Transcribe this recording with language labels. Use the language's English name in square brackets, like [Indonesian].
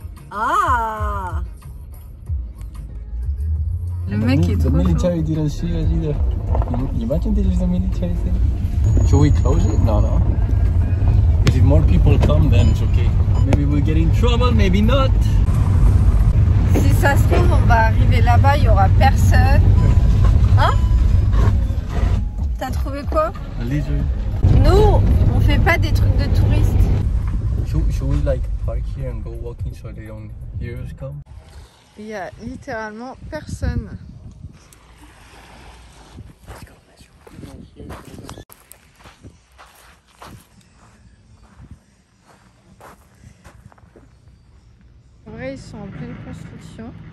[French] Ah! Le mec est trop [English] The military didn't see us either. Imagine this is the military thing. Should we close it? No. Because if more people come, then it's okay. Maybe we'll get in trouble, maybe not. [French] Si ça se trouve, on va arriver là-bas, il n'y aura personne. Hein? T'as trouvé quoi? [English] A lizard. [French] Nous, on fait pas des trucs de touristes. [English] Should we like park here and go walking so they don't hear us come? [French] Il y a littéralement personne. En vrai, ils sont en pleine construction.